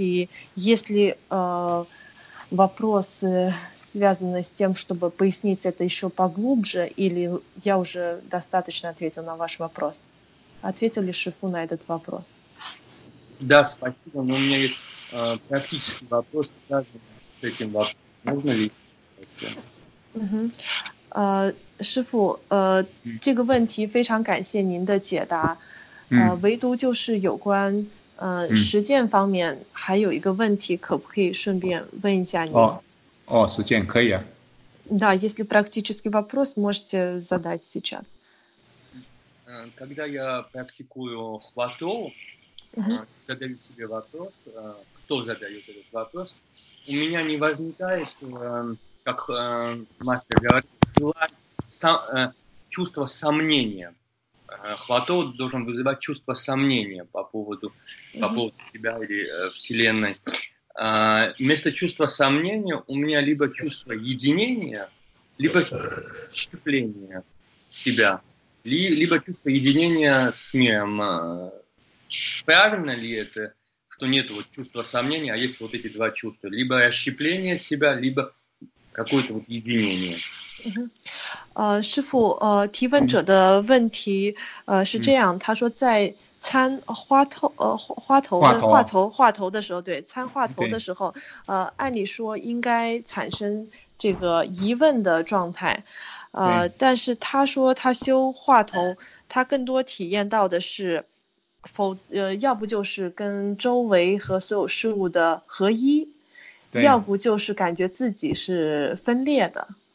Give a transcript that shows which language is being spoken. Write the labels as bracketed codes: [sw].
[ru] И если вопрос связан с тем, чтобы пояснить это еще поглубже, или я уже достаточно ответил на ваш вопрос? Ответил ли Шифу на этот вопрос? Да, спасибо. Но у меня есть практический вопрос, связан с этим вопросом. Можно ли? Угу. [zh] 师父，这个问题非常感谢您的解答，唯独就是有关实践方面还有一个问题，可不可以顺便问一下您？哦，实践可以啊。 [ru] Да, если практический вопрос, можете задать сейчас. Когда я практикую хвату, задаю себе вопрос, кто задает этот вопрос, у меня не возникает, как мастер говорит,чувство сомнения. Хвато должен вызывать чувство сомнения по поводу себя или Вселенной. Вместо чувства сомнения у меня либо чувство единения, либо счепления себя, либо чувство единения с миром. Правильно ли это, что нет вот чувства сомнения, а есть вот эти два чувства? Либо расщепление себя, либо какое-то вот единение. [zh] 师父，提问者的问题是这样，他说在参话头的时候，对，参话头的时候，按理说应该产生这个疑问的状态，但是他说他修话头，他更多体验到的是要不就是跟周围和所有事物的合一，要不就是感觉自己是分裂的。